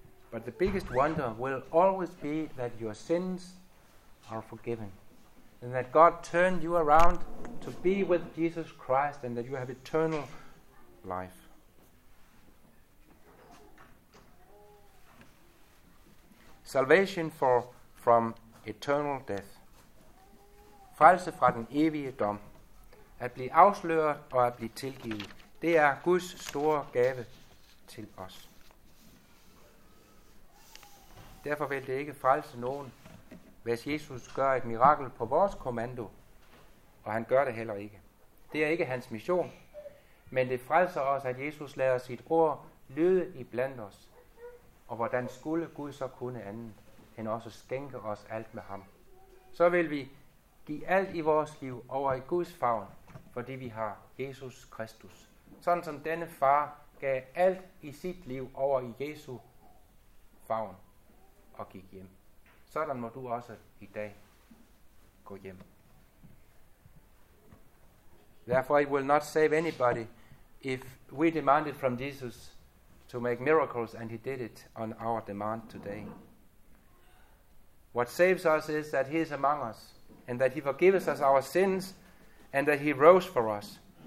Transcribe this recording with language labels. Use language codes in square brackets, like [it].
[en] But the biggest wonder will always be that your sins are forgiven, and that God turned you around to be with Jesus Christ, and that you have eternal life. Salvation from eternal death. [da] Frelse fra den evige dom. At blive afsløret og at blive tilgivet. Det er Guds store gave til os. Derfor vil det ikke frelse nogen, hvis Jesus gør et mirakel på vores kommando, og han gør det heller ikke. Det er ikke hans mission, men det frelser os, at Jesus lader sit ord lyde iblandt os. Og hvordan skulle Gud så kunne andet, end også skænke os alt med ham? Så vil vi give alt i vores liv over i Guds favn, fordi vi har Jesus Kristus. Sådan som denne far gav alt i sit liv over i Jesu favn og gik hjem. Sådan må du også i dag gå hjem. [en] Therefore it will not save anybody if we demand it from Jesus to make miracles, and he did it on our demand today. What saves us is that he is among us, and that he forgives us our sins, and that he rose for us.